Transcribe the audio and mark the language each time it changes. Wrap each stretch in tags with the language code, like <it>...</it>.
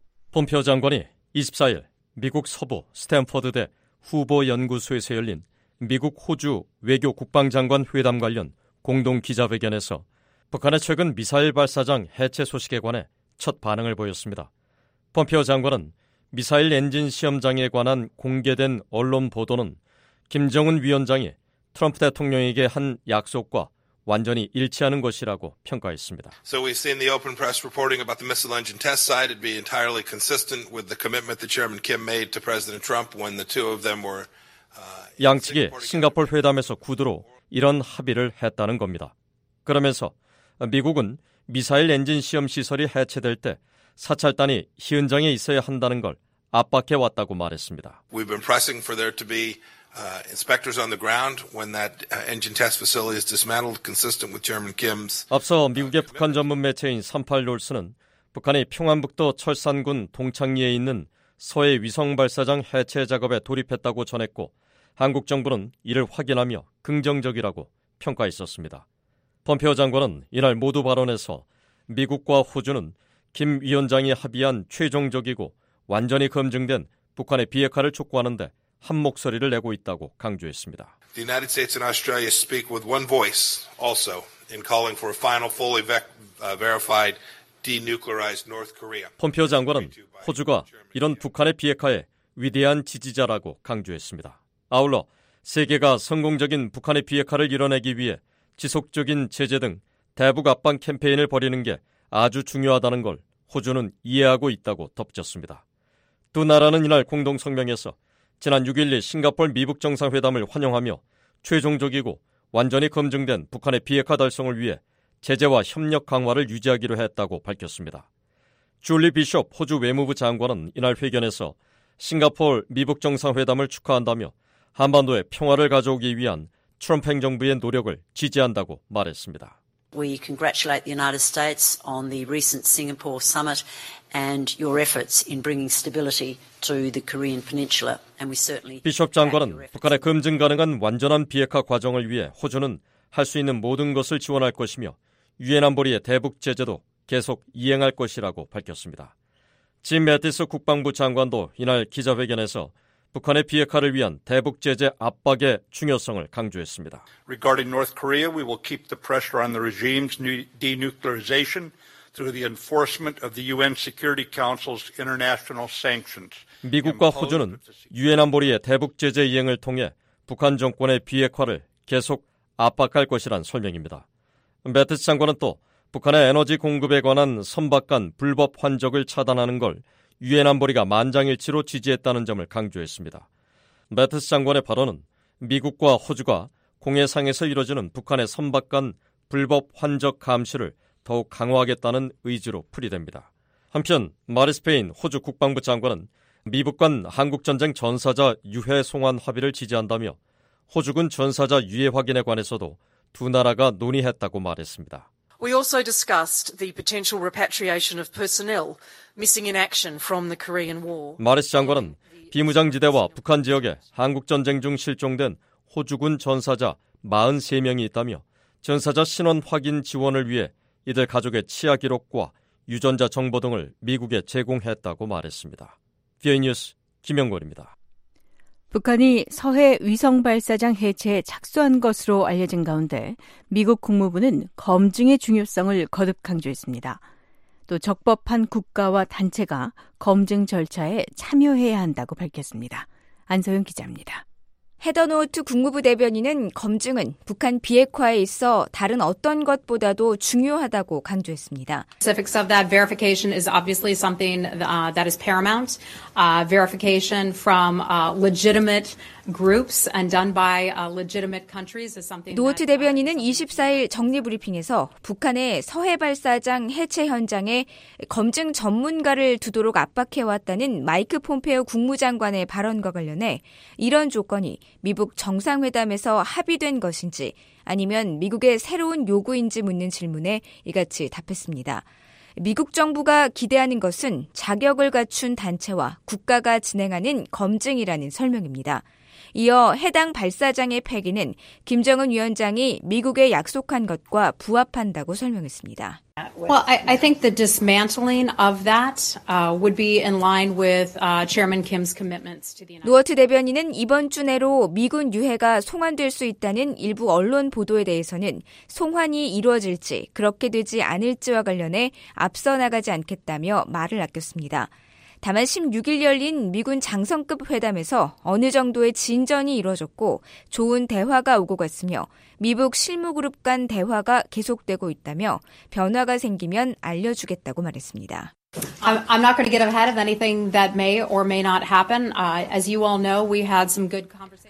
<ko>폼페오 장관이 24일 미국 서부 스탠퍼드대 후보 연구소에서 열린 미국 호주 외교 국방장관 회담 관련 공동 기자회견에서 북한의 최근 미사일 발사장 해체 소식에 관해 첫 반응을 보였습니다. 폼페오 장관은 미사일 엔진 시험장에 관한 공개된 언론 보도는 김정은 위원장이 트럼프 대통령에게 한 약속과 완전히 일치하는 것이라고 평가했습니다.</ko> <en>So we've seen the open press reporting about the missile engine test site. It'd be entirely consistent with the commitment that Chairman Kim made to President Trump when the two of them were.</en> <ko>양측이 싱가포르 회담에서 구두로 이런 합의를 했다는 겁니다. 그러면서 미국은 미사일 엔진 시험 시설이 해체될 때 사찰단이 현장에 있어야 한다는 걸 압박해 왔다고 말했습니다.</ko> <en>We've been pressing for there to be inspectors on the ground when that engine test facility is dismantled, consistent with Chairman Kim's.</en> <ko>앞서 미국의 북한 전문 매체인 38뉴스는 북한이 평안북도 철산군 동창리에 있는 서해 위성 발사장 해체 작업에 돌입했다고 전했고 한국 정부는 이를 확인하며 긍정적이라고 평가했었습니다. 펌페오 장관은 이날 모두 발언에서 미국과 호주는 김 위원장이 합의한 최종적이고 완전히 검증된 북한의 비핵화를 촉구하는 데 한 목소리를 내고 있다고 강조했습니다.</ko> <en>The United States and Australia speak with one voice also in calling for a final fully verified denuclearized North Korea.</en> <ko>펌페오 장관은 호주가 이런 북한의 비핵화에 위대한 지지자라고 강조했습니다. 아울러 세계가 성공적인 북한의 비핵화를 이뤄내기 위해 지속적인 제재 등 대북 압박 캠페인을 벌이는 게 아주 중요하다는 걸 호주는 이해하고 있다고 덧붙였습니다. 두 나라는 이날 공동 성명에서 지난 6.12 싱가포르 미북 정상회담을 환영하며 최종적이고 완전히 검증된 북한의 비핵화 달성을 위해 제재와 협력 강화를 유지하기로 했다고 밝혔습니다. 줄리 비숍 호주 외무부 장관은 이날 회견에서 싱가포르 미북 정상회담을 축하한다며 한반도의 평화를 가져오기 위한 트럼프 행정부의 노력을 지지한다고 말했습니다.</ko> <en>We congratulate the United States on the recent Singapore summit and your efforts in bringing stability to the Korean Peninsula. And we certainly</en> <ko>비숍 장관은 북한의 검증 가능한 완전한 비핵화 과정을 위해 호주는 할 수 있는 모든 것을 지원할 것이며 유엔 안보리의 대북 제재도 계속 이행할 것이라고 밝혔습니다. 짐 매티스 국방부 장관도 이날 기자회견에서 북한의 비핵화를 위한 대북 제재 압박의 중요성을 강조했습니다.</ko> <en>Regarding North Korea, we will keep the pressure on the regime's denuclearization through the enforcement of the UN Security Council's international sanctions.</en> <ko>미국과 호주는 유엔 안보리의 대북 제재 이행을 통해 북한 정권의 비핵화를 계속 압박할 것이란 설명입니다. 매트스 장관은 또 북한의 에너지 공급에 관한 선박 간 불법 환적을 차단하는 걸 유엔 안보리가 만장일치로 지지했다는 점을 강조했습니다. 매트스 장관의 발언은 미국과 호주가 공해상에서 이뤄지는 북한의 선박 간 불법 환적 감시를 더욱 강화하겠다는 의지로 풀이됩니다. 한편 마리스페인 호주 국방부 장관은 미북 간 한국전쟁 전사자 유해 송환 합의를 지지한다며 호주군 전사자 유해 확인에 관해서도 두 나라가 논의했다고 말했습니다.</ko> <en>We also discussed the potential repatriation of personnel missing in action from the Korean War.</en> <ko>마리스 장관은 비무장지대와 북한 지역에 한국전쟁 중 실종된 호주군 전사자 43명이 있다며 전사자 신원 확인 지원을 위해 이들 가족의 치아 기록과 유전자 정보 등을 미국에 제공했다고 말했습니다. VOA 뉴스 김영걸입니다. 북한이 서해 위성발사장 해체에 착수한 것으로 알려진 가운데 미국 국무부는 검증의 중요성을 거듭 강조했습니다. 또 적법한 국가와 단체가 검증 절차에 참여해야 한다고 밝혔습니다. 안서윤 기자입니다. 헤더 노우트 국무부 대변인은 검증은 북한 비핵화에 있어 다른 어떤 것보다도 중요하다고 강조했습니다.</ko> <en>Specifics of that verification is obviously something that is paramount. Verification from legitimate groups and done by legitimate countries is something.</en> <ko>노우트 대변인은 24일 정례 브리핑에서 북한의 서해 발사장 해체 현장에 검증 전문가를 두도록 압박해 왔다는 마이크 폼페오 국무장관의 발언과 관련해 이런 조건이 미북 정상회담에서 합의된 것인지 아니면 미국의 새로운 요구인지 묻는 질문에 이같이 답했습니다. 미국 정부가 기대하는 것은 자격을 갖춘 단체와 국가가 진행하는 검증이라는 설명입니다. 이어 해당 발사장의 폐기는 김정은 위원장이 미국에 약속한 것과 부합한다고 설명했습니다.</ko> <en>Well, I think the dismantling of that would be in line with Chairman Kim's commitments to the United States.</en> <ko>노어트 대변인은 이번 주 내로 미군 유해가 송환될 수 있다는 일부 언론 보도에 대해서는 송환이 이루어질지 그렇게 되지 않을지와 관련해 앞서 나가지 않겠다며 말을 아꼈습니다. 다만 16일 열린 미군 장성급 회담에서 어느 정도의 진전이 이루어졌고 좋은 대화가 오고 갔으며 미북 실무그룹 간 대화가 계속되고 있다며 변화가 생기면 알려주겠다고 말했습니다.</ko> <en>I'm not going to get ahead of anything that may or may not happen. As you all know, we had some good conversations.</en>